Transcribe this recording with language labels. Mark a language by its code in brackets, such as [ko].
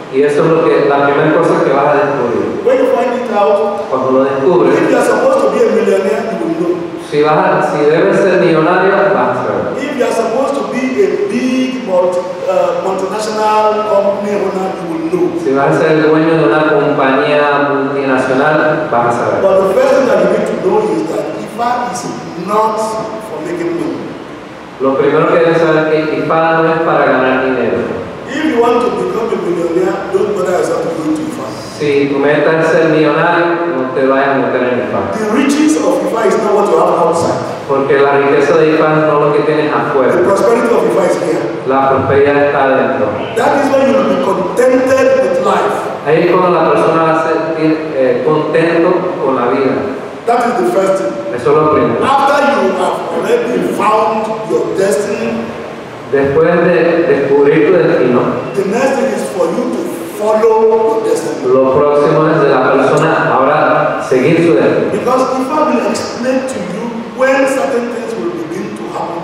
[es] Y eso es lo que, la primera cosa que vas a descubrir. [en] When you find it out, [es] cuando lo descubres, [en] if you are supposed to be a millionaire, you will know. [es] Si debes ser millonario, vas a ver. [en] If you are supposed to be a big multinational company owner, you will know. [es] Si vas a ser dueño de una compañía multinacional, vas a ver. [en] But the first thing that you need to know is that Ifa is not for making money. [es] Lo primero que debes saber es que Ifa no es para ganar dinero. [en] If you want to become a millionaire, don't bother yourself to go to Ifa. [es] Si tu meta es ser millonario, no te vayas a meter en Ifa. [en] The riches of Ifa is not what you have outside. [es] Porque la riqueza de Ifa no es lo que tienes afuera. [en] The prosperity of Ifa is here. [es] La prosperidad está adentro. [en] That is when you will be contented with life. [es] Ahí es cuando la persona va a sentir contento con la vida. [en] That is the first thing. [es] Eso es lo primero. [en] After you have already found your destiny, [es] después de descubrir tu destino, [en] the next thing is for you to follow your destiny. [es] Lo próximo es de la persona ahora seguir su destino. [en] Because Ifa will explain to you when certain things will begin to happen.